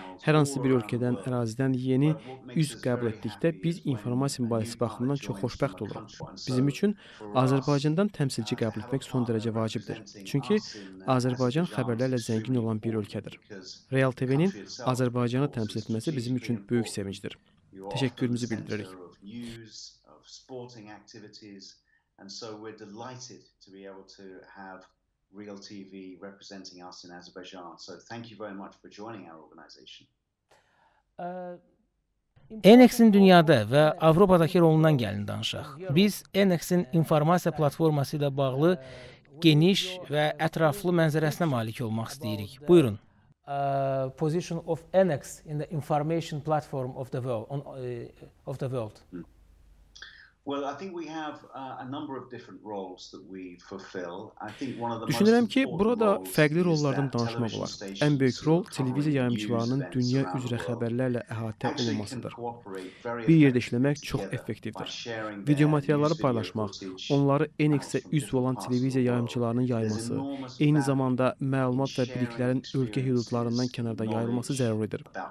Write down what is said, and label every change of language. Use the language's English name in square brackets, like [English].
[Azerbaijani] Hər hansı bir ölkədən, ərazidən yeni üzv qəbul etdikdə biz informasiya mübadiləsi baxımından çox xoşbəxt oluruq. Bizim üçün Azərbaycandan təmsilçi qəbul etmək son dərəcə vacibdir. Çünki Azərbaycan xəbərlərlə zəngin olan bir ölkədir. Real TV-nin Azərbaycanı təmsil etməsi bizim üçün böyük sevincdir. Təşəkkürümüzü bildiririk. [English] News of sporting activities, and so we're delighted to be able to have Real TV representing us in Azerbaijan. So thank you very much for joining our organization. [Azerbaijani] ENEX-in dünyada və Avropadakı rolundan gəlin danışaq. Biz ENEX-in informasiya platforması ilə bağlı geniş və ətraflı mənzərəsinə malik olmaq istəyirik. Buyurun. [English] Position of ENEX in the information platform of the world. Well, I think we have a number of different roles that we fulfill. [Azerbaijani] Düşünürəm ki, burada fərqli rollardan danışmaq olar. Ən böyük rol televiziya yayımçılarının dünya üzrə xəbərlərlə əhatə olunmasıdır. Bir yerdə işləmək çox effektivdir. Video materialları paylaşmaq, onları ENEX-ə üzv olan televiziya yayımçılarının yayılması, eyni zamanda məlumat və biliklərin ölkə hüdudlarından kənarda yayılması zəruridir.